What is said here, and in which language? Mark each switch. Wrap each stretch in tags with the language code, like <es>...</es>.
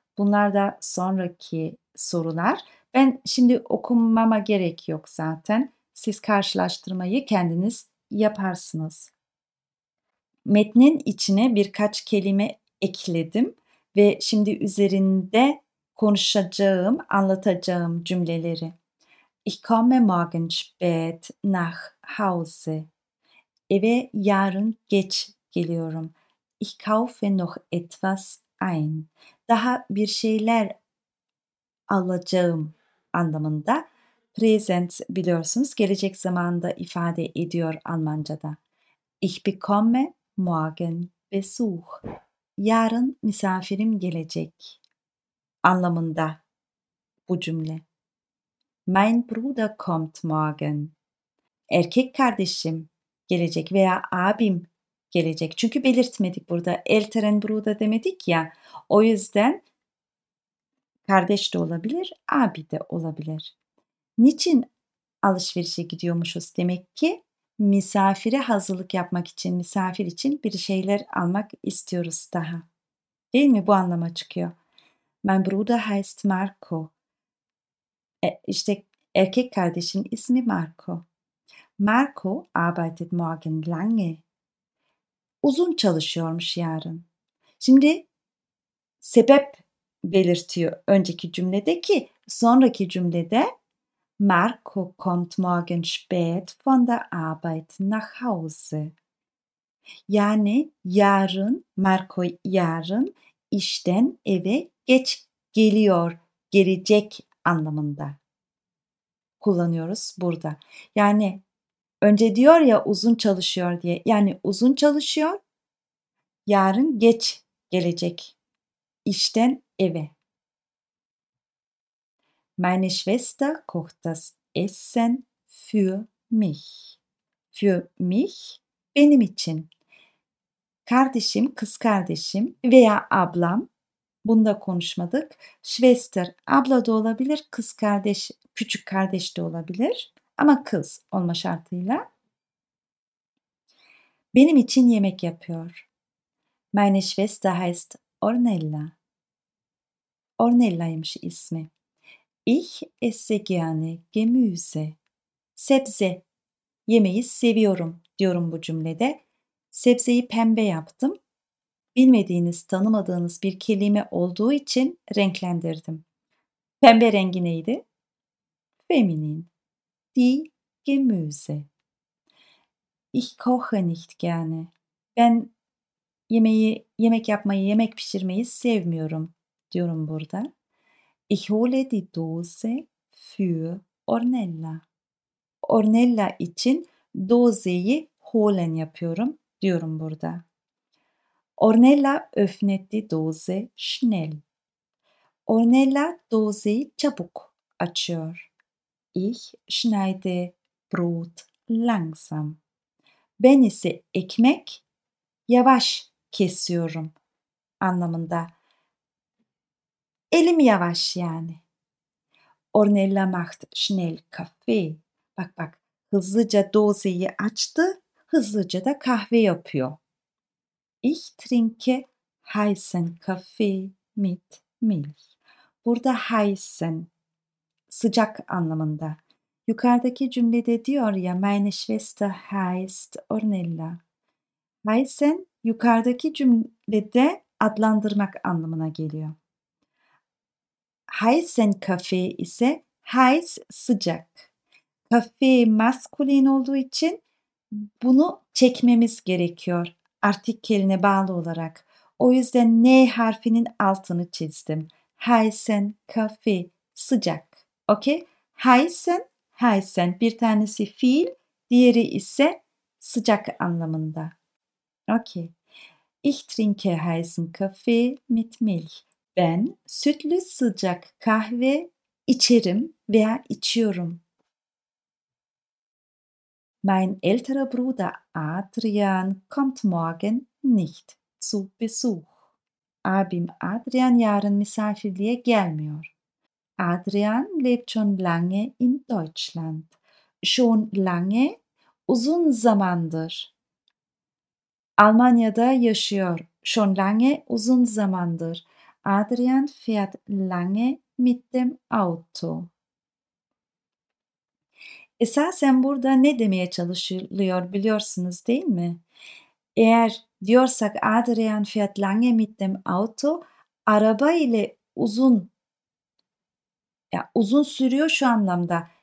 <tr>Bunlar da sonraki sorular. Ben şimdi okumama gerek yok zaten. Siz karşılaştırmayı kendiniz yaparsınız. Metnin içine birkaç kelime ekledim ve şimdi üzerinde konuşacağım, anlatacağım cümleleri.</tr> <de>Ich komme morgen spät nach Hause.</de> <tr>Eve yarın geç geliyorum.</tr> <de>Ich kaufe noch etwas ein.</de> <tr>Daha bir şeyler alacağım anlamında. Present biliyorsunuz gelecek zamanda ifade ediyor Almanca'da.</tr> <de>Ich bekomme morgen Besuch.</de> <tr>Yarın misafirim gelecek anlamında bu cümle.</tr> <de>Mein Bruder kommt morgen.</de> <tr>Erkek kardeşim gelecek veya abim gelecek. Çünkü belirtmedik burada.</tr> <de>Älteren Bruder</de> <tr>demedik ya. O yüzden kardeş de olabilir, abi de olabilir. Niçin alışverişe gidiyormuşuz? Demek ki misafire hazırlık yapmak için, misafir için bir şeyler almak istiyoruz daha. Değil mi? Bu anlama çıkıyor.</tr> <de>Mein Bruder heißt Marco.</de> <tr>İşte erkek kardeşin ismi Marco.</tr> <de>Marco arbeitet morgen lange.</de> <tr>Uzun çalışıyormuş yarın. Şimdi sebep belirtiyor önceki cümledeki sonraki cümlede</tr> <de>Marco kommt morgen spät von der Arbeit nach Hause.</de> <tr>Yani yarın Marco yarın işten eve geç geliyor, gelecek anlamında kullanıyoruz burada. Yani önce diyor ya uzun çalışıyor diye. Yani uzun çalışıyor. Yarın geç gelecek işten eve.</tr> <de>Meine Schwester kocht das Essen für mich. Für mich,</de> <tr>benim için. Kardeşim, kız kardeşim veya ablam, bunda konuşmadık. Schwester, abla da olabilir, kız kardeş, küçük kardeş de olabilir. Ama kız olma şartıyla. Benim için yemek yapıyor.</tr> <de>Meine Schwester heißt Ornella.</de> <tr>Ornella'ymış ismi.</tr> <de>Ich esse gerne Gemüse.</de> <tr>Sebze. Yemeği seviyorum diyorum bu cümlede. Sebzeyi pembe yaptım. Bilmediğiniz, tanımadığınız bir kelime olduğu için renklendirdim. Pembe rengi neydi? Feminin.</tr> <de>Die Gemüse. Ich koche nicht gerne.</de> <tr>Ben yemek yapmayı, yemek pişirmeyi sevmiyorum diyorum burada.</tr> <de>Ich hole die Dose für Ornella.</de> <tr>Ornella için dozeyi holen yapıyorum diyorum burada.</tr> <de>Ornella öffnet die Dose schnell.</de> <tr>Ornella dozeyi çabuk açıyor.</tr> <de>Ich schneide Brot langsam.</de> <tr>Ben ise ekmek yavaş kesiyorum anlamında. Elim yavaş yani.</tr> <de>Ornella macht schnell Kaffee.</de> <tr>Bak bak, hızlıca dozeyi açtı, hızlıca da kahve yapıyor. Ich trinke heißen Kaffee mit Milch. Burada heißen sıcak anlamında. Yukarıdaki cümlede diyor ya,</tr> <de>meine Schwester heißt Ornella.</de> <tr>Heißen yukarıdaki cümlede adlandırmak anlamına geliyor.</tr> <de>heißen Kaffee</de> <tr>ise heiß, sıcak. Kaffee maskulin olduğu için bunu çekmemiz gerekiyor. Artikeline bağlı olarak. O yüzden N harfinin altını çizdim.</tr> <de>Heißen Kaffee,</de> <tr>sıcak. Okay? Heißen, heißen. Bir tanesi fiil, diğeri ise sıcak anlamında. Okay.</tr> <de>Ich trinke heißen Kaffee mit Milch.</de> <tr>Ben sütlü sıcak kahve içerim veya içiyorum.</tr> <de>Mein älterer Bruder Adrian kommt morgen nicht zu Besuch.</de> <tr>Abim Adrian yarın misafirliğe gelmiyor.</tr> <de>Adrian lebt schon lange in Deutschland. Schon lange,</de> <tr>uzun zamandır. Almanya'da yaşıyor.</tr> <de>Schon lange,</de> <tr>uzun zamandır.</tr> <de>Adrian fährt lange mit dem Auto.</de> <tr>Esasen burada ne demeye çalışılıyor biliyorsunuz değil mi? Eğer diyorsak</tr> <de>Adrian fährt lange mit dem Auto,</de> <tr>araba ile uzun, ya uzun sürüyor şu anlamda.</tr>